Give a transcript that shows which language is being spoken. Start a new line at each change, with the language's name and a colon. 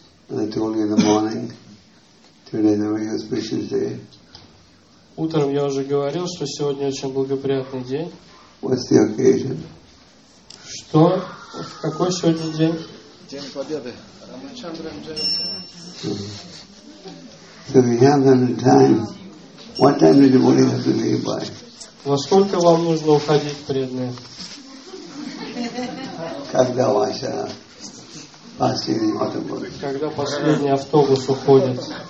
English: I told you in the morning, today the very auspicious day.
Russian: Утром я уже говорил, что сегодня очень благоприятный день.
English: What's the occasion?
Russian: Что? В какой сегодня день? День Победы. Рамачандрам Джайанса.
English: So we have them in time. What time do devotees have to leave by?
Russian: Во сколько вам нужно уходить, преданные? Когда ваша последний автобус? Когда последний автобус уходит?